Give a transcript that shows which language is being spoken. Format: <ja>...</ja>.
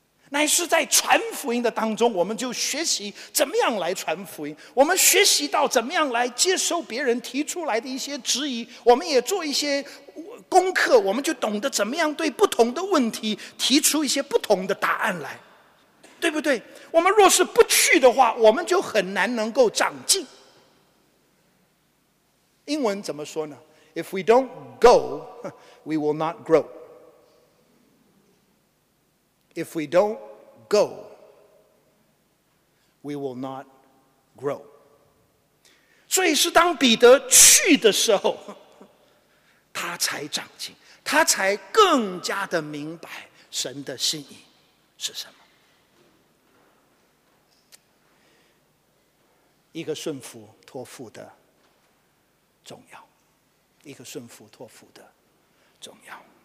<zh>乃是在传福音的当中，我们就学习怎么样来传福音，我们学习到怎么样来接受别人提出来的一些质疑，我们也做一些功课，我们就懂得怎么样对不同的问题提出一些不同的答案来，对不对？我们若是不去的话，我们就很难能够长进。英文怎么说呢？</zh> <en>If we don't go, we will not grow. If we don't go, we will not grow.</en> <zh>所以是当彼得去的时候，他才长进，他才更加的明白神的心意是什么。一个顺服托付的重要，一个顺服托付的重要。</zh>